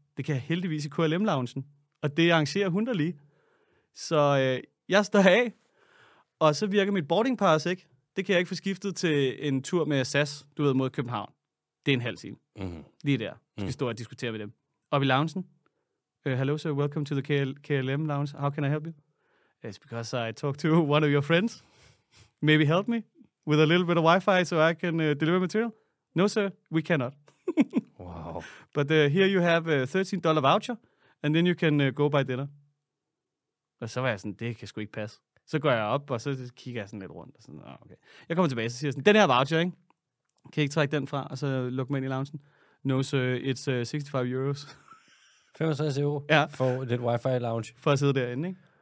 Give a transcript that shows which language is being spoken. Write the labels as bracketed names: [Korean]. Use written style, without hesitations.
[Danish] Det kan jeg heldigvis i KLM-loungen, og det arrangerer hun der lige. Så jeg står af, og så virker mit boardingpass ikke. Det kan jeg ikke få skiftet til en tur med SAS, du ved, mod København. Det er en halv time. Lige der. Jeg skal stå og diskutere med dem. Oppe i loungen. [English] Hello, sir. Welcome to the KLM lounge. How can I help you? It's because I talked to one of your friends. Maybe help me with a little bit of Wi-Fi so I can deliver material. No, sir, we cannot. Wow. But here you have a $13 voucher, and then you can go buy dinner. [Danish] Og så var jeg sådan, det kan sgu ikke passe. Så går jeg op, og så kigger jeg sådan lidt rundt. Og sådan, oh, okay. Jeg kommer tilbage, så siger jeg sådan, den her voucher, ikke? Kan jeg ikke trække den fra, og så lukke mig ind i loungen? [English] No, sir, it's 65 euros. [Danish] 65 euro ja. For lidt wifi lounge. For at sidde derinde, ikke?